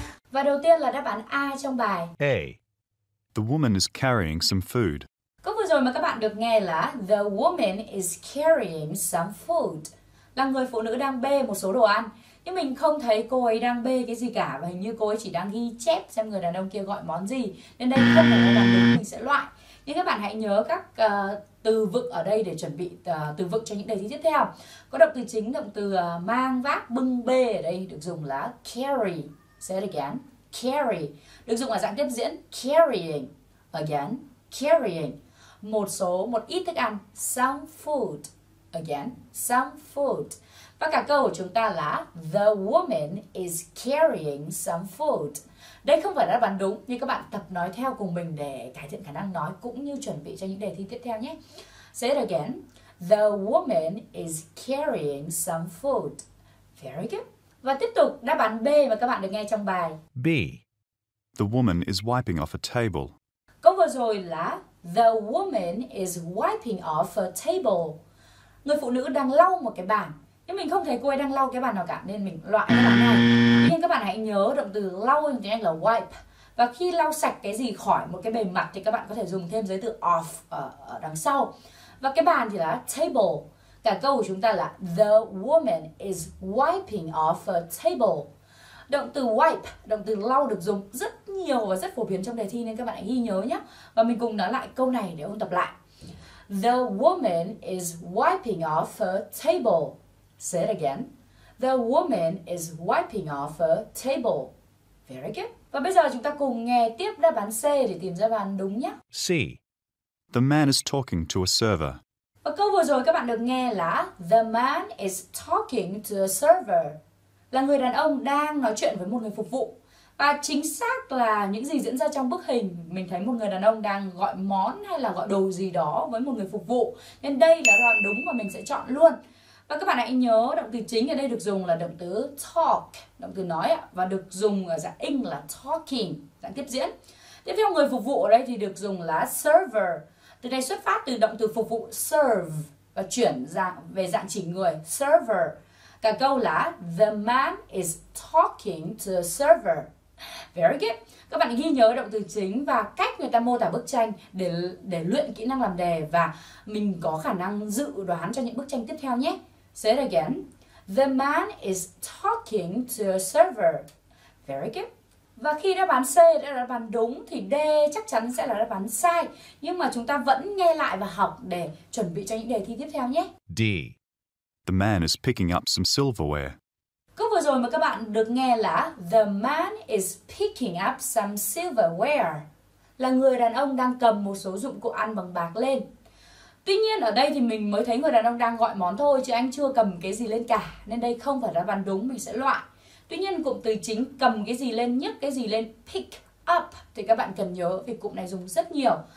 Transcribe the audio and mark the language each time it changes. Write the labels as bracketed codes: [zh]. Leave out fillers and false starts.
[vi] Và đầu tiên là đáp án A trong bài. [en] A. The woman is carrying some food. [vi] Câu vừa rồi mà các bạn được nghe là [en] the woman is carrying some food, [vi] là người phụ nữ đang bê một số đồ ăn. Nhưng mình không thấy cô ấy đang bê cái gì cả, và hình như cô ấy chỉ đang ghi chép xem người đàn ông kia gọi món gì. Nên đây không phải là đáp án đúng, mình sẽ loại. Nhưng các bạn hãy nhớ các từ vựng ở đây để chuẩn bị từ vựng cho những đề thi tiếp theo. Có động từ chính, động từ mang, vác, bưng, bê ở đây được dùng là carry. [en] Say it again. Carry. [vi] Được dùng ở dạng tiếp diễn carrying. [en] Again. Carrying. [vi] Một số, một ít thức ăn. [en] Some food. Again, some food. [vi] Và cả câu của chúng ta là [en] the woman is carrying some food. [vi] Đây không phải là đáp án đúng, nhưng các bạn tập nói theo cùng mình để cải thiện khả năng nói cũng như chuẩn bị cho những đề thi tiếp theo nhé. [en] Say it again. The woman is carrying some food. Very good. [vi] Và tiếp tục đáp án B mà các bạn được nghe trong bài. [en] B. The woman is wiping off a table. [vi] Câu vừa rồi là [en] the woman is wiping off a table. [vi] Người phụ nữ đang lau một cái bàn. Nhưng mình không thấy cô ấy đang lau cái bàn nào cả, nên mình loại các bạn này. Nhưng các bạn hãy nhớ động từ lau trong tiếng Anh là wipe. Và khi lau sạch cái gì khỏi một cái bề mặt thì các bạn có thể dùng thêm giới từ off ở đằng sau. Và cái bàn thì là table. Cả câu của chúng ta là [en] the woman is wiping off a table. [vi] Động từ wipe, động từ lau được dùng rất nhiều và rất phổ biến trong đề thi, nên các bạn hãy ghi nhớ nhé. Và mình cùng nói lại câu này để ôn tập lại. [en] The woman is wiping off her table. Say it again. The woman is wiping off her table. Very good. [vi] Và bây giờ chúng ta cùng nghe tiếp đáp án C để tìm ra đáp án đúng nhé. [en] C. The man is talking to a server. [vi] Và câu vừa rồi các bạn được nghe là [en] the man is talking to a server. [vi] Là người đàn ông đang nói chuyện với một người phục vụ. Và chính xác là những gì diễn ra trong bức hình, mình thấy một người đàn ông đang gọi món hay là gọi đồ gì đó với một người phục vụ. Nên đây là đáp án đúng mà mình sẽ chọn luôn. Và các bạn hãy nhớ động từ chính ở đây được dùng là động từ talk, động từ nói ạ, và được dùng ở dạng ing là talking, dạng tiếp diễn. Tiếp theo người phục vụ ở đây thì được dùng là server. Từ đây xuất phát từ động từ phục vụ serve và chuyển dạng về dạng chỉ người, server. Cả câu là [en] the man is talking to a server. Very good. [vi] Các bạn ghi nhớ động từ chính và cách người ta mô tả bức tranh để luyện kỹ năng làm đề và mình có khả năng dự đoán cho những bức tranh tiếp theo nhé. [en] Say it again. The man is talking to a server. Very good. [vi] Và khi đáp án C đã là đáp án đúng thì D chắc chắn sẽ là đáp án sai. Nhưng mà chúng ta vẫn nghe lại và học để chuẩn bị cho những đề thi tiếp theo nhé. [en] D. The man is picking up some silverware. [vi] Câu vừa rồi mà các bạn được nghe là [en] The man is picking up some silverware. [vi] Là người đàn ông đang cầm một số dụng cụ ăn bằng bạc lên. Tuy nhiên ở đây thì mình mới thấy người đàn ông đang gọi món thôi, chứ anh chưa cầm cái gì lên cả. Nên đây không phải đáp án đúng, mình sẽ loại. Tuy nhiên cụm từ chính cầm cái gì lên, nhấc cái gì lên, pick up, thì các bạn cần nhớ vì cụm này dùng rất nhiều.